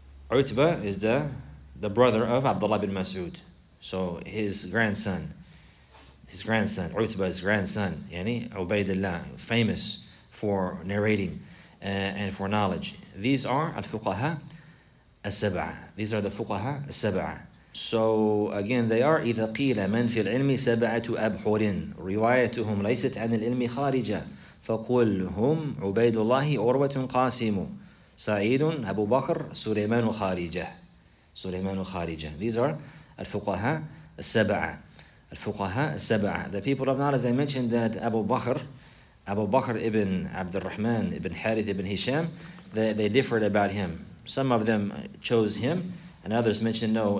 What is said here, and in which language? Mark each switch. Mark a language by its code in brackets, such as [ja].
[en] Utsbah is the brother of Abdullah ibn Mas'ud. So his grandson, Utsbah's grandson, yani Ubaidullah, famous for narrating and for knowledge. These are al-fuqaha al-saba'a. These are the fuqaha al-saba'a. So again, they are [ar] إِذَا قِيلَ مَنْ فِي الْعِلْمِ سَبَعَةُ أَبْحُرٍ رِوَايَتُهُمْ لَيْسَتْ عَنِ الْعِلْمِ خَارِجَةً فَقُلْهُمْ عُبَيْدُ اللَّهِ عُرْوَةٌ قَاسِمُ سَعِيدٌ أَبُو بَكْر سُلَيْمَانُ خَارِجَةً. سُلَيْمَانُ خَارِجَةً. [en] These are al-fuqaha al-saba'a. Al-fuqaha al-saba'a. The people of knowledge, they mentioned that Abu Bakr ibn Abdurrahman ibn Harith ibn Hisham, they differed about him. Some of them chose him, and others mentioned no.